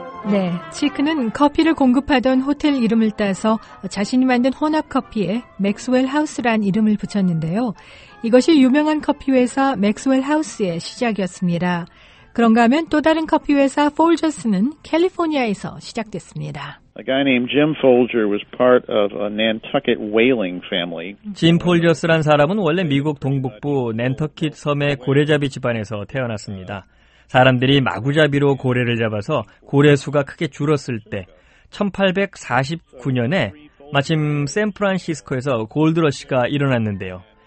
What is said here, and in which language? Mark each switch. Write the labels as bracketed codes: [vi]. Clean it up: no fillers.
[ko] 네, 치크는 커피를 공급하던 호텔 이름을 따서 자신이 만든 혼합커피에 맥스웰 하우스란 이름을 붙였는데요. 이것이 유명한 커피 회사 맥스웰 하우스의 시작이었습니다. 그런가 하면 또 다른 커피 회사 폴저스는 캘리포니아에서 시작됐습니다. [en] A guy named Jim Folger was part of a Nantucket whaling family. [ko] 짐 폴저스란 사람은 원래 미국 동북부 낸터킷 섬의 고래잡이 집안에서 태어났습니다. 사람들이 마구잡이로 고래를 잡아서 고래 수가 크게 줄었을 때 1849년에 마침 샌프란시스코에서 골드러시가 일어났는데요.